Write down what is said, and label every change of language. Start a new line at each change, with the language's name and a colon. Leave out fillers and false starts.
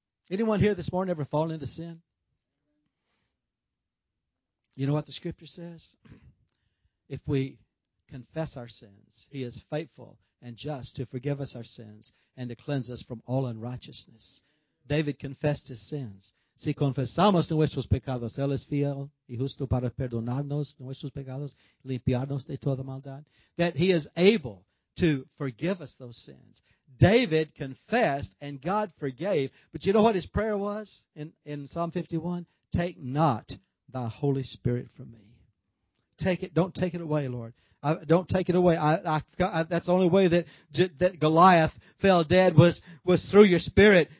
English: Anyone here this morning ever fallen into sin? You know what the Scripture says? If we confess our sins, He is faithful and just to forgive us our sins and to cleanse us from all unrighteousness. David confessed his sins.
Spanish: Si confesamos nuestros pecados, Él es fiel y justo para perdonarnos nuestros pecados, limpiarnos de toda maldad.
English: That He is able to forgive us those sins. David confessed and God forgave. But you know what his prayer was in Psalm 51? Take not thy Holy Spirit from me. Take it. Don't take it away, Lord. Don't take it away. That's the only way that Goliath fell dead was through your spirit.